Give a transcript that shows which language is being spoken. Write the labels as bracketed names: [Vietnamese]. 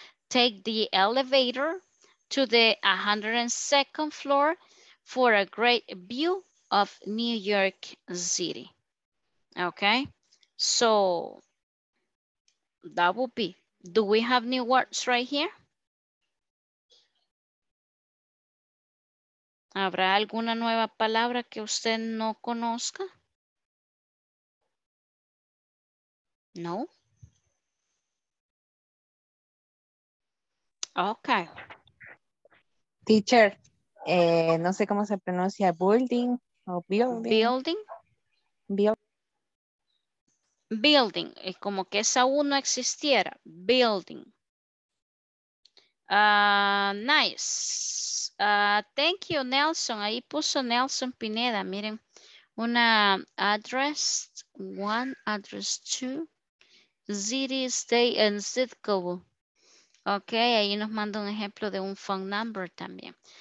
[English] Take the elevator to the 102nd floor for a great view of New York City. Okay, so that would be, do we have new words right here? [Spanish] ¿Habrá alguna nueva palabra que usted no conozca? No. [English] Okay. [Spanish] Teacher, no sé cómo se pronuncia building o building. Building. Building. Como que esa U no existiera. Building. [English] Nice. Thank you, Nelson. [Spanish] Ahí puso Nelson Pineda. Miren, una address 1, address 2, city, state, and zip code. Ok, ahí nos manda un ejemplo de un phone number también.